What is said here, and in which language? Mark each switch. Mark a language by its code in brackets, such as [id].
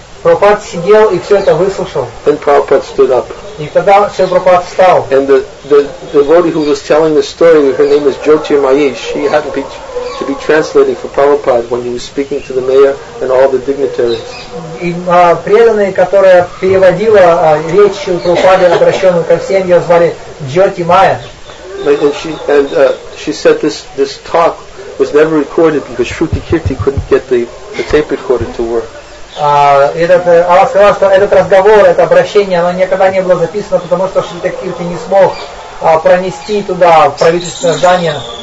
[ru] Прабхупад сидел и все это выслушал. [en] Then Prabhupada stood up. [ru] И тогда Шрила Прабхупада встал. [en] And the devotee who was telling the story, her name is Jyoti Mayi, she had to be translating for Prabhupada when he was speaking to the mayor and all the dignitaries. [ru] И преданная, которая переводила речь Шрилы Прабхупады, обращенную ко всем, ее звали Джоти Майя. [en] And she said this talk was never recorded because Shruti Kirti couldn't get the tape recorder to work. [ru] Она сказала, что этот разговор, это обращение, оно никогда не было записано, потому что Шрилы Кирти не смог пронести туда в правительственное здание.